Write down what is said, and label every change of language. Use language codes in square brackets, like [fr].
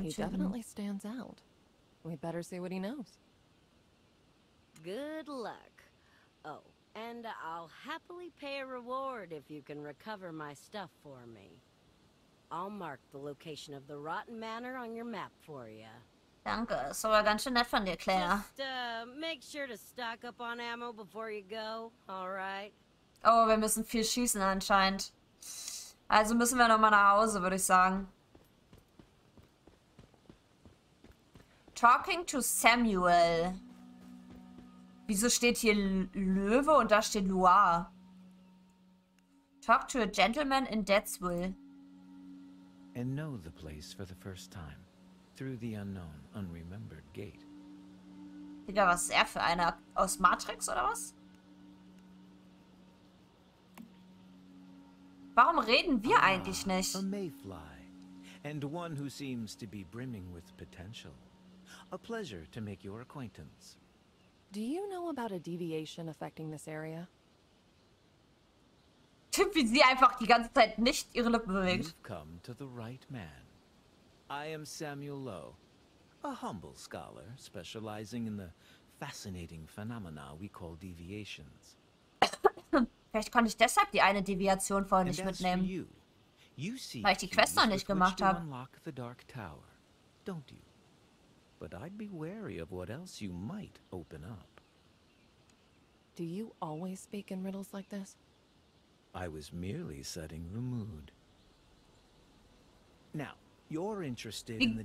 [en] He definitely stands out. We better see what he knows. Good luck. Oh, and I'll happily pay a reward if you can recover my stuff for me. I'll mark the location of the Rotten Manor on your map for you. [de] Danke, so war ganz schön nett von dir, Claire. [en] Just make sure to stock up on ammo before you go, all right? [de] Oh, wir müssen viel schießen anscheinend. Also müssen wir nochmal nach Hause, würde ich sagen. [en] Talking to Samuel. [de] Wieso steht hier Löwe und da steht Loire? [en] Talk to a gentleman in Deadswill. And know the place for the first time. Through the unknown, unremembered gate. [de] Digga, was ist er für einer? Aus Matrix oder was? Warum reden wir eigentlich nicht? [en] A mayfly. And one who seems to be brimming with potential. A pleasure to make your acquaintance. Do you know about a deviation affecting this area? [de] Wie sie einfach die ganze Zeit nicht ihre Lippen bewegt. [en] You've come to the right man. I am Samuel Lowe, a humble scholar specializing in the fascinating phenomena we call deviations. [de] Vielleicht konnte ich deshalb die eine Deviation vorher nicht mitnehmen. [en] You see, [de] weil ich die Quest noch nicht gemacht habe. [en] Unlock the dark tower, don't you? But I'd be wary of what else you might open up. Do you always speak in riddles like this? I was merely setting the mood. Now, you're interested in the